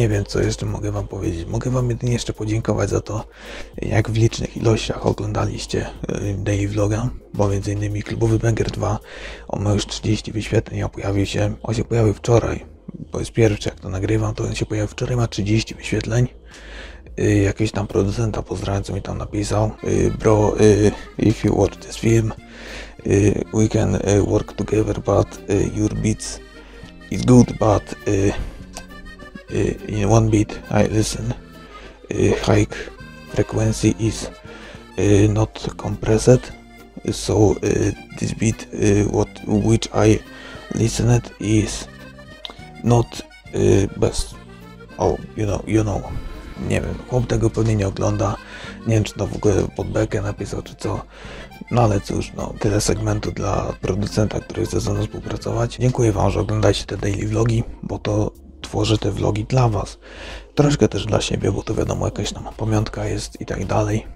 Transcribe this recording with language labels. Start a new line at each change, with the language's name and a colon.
Polish: Nie wiem, co jeszcze mogę Wam powiedzieć. Mogę Wam jedynie jeszcze podziękować za to, jak w licznych ilościach oglądaliście daily vloga, bo między innymi Klubowy Banger 2, on ma już 30 wyświetleń, a pojawił się, on się pojawił wczoraj. Bo jest pierwszy, jak to nagrywam, to on się pojawił wczoraj, ma 30 wyświetleń. Jakiś tam producenta pozdrawiam, co mi tam napisał.
English: Bro, if you watch this film, we can work together, but your beats is good, but in one beat I listen, high frequency is not compressed, so this beat what which I listened is not best. Oh, you know,
Polish: nie wiem, chłop tego pewnie nie ogląda, nie wiem, czy to w ogóle pod bekę napisał, czy co, no ale cóż, no, tyle segmentu dla producenta, który chce ze mną współpracować. Dziękuję wam, że oglądacie te daily vlogi, bo to tworzę te vlogi dla was. Troszkę też dla siebie, bo to wiadomo, jakaś tam pamiątka jest i tak dalej.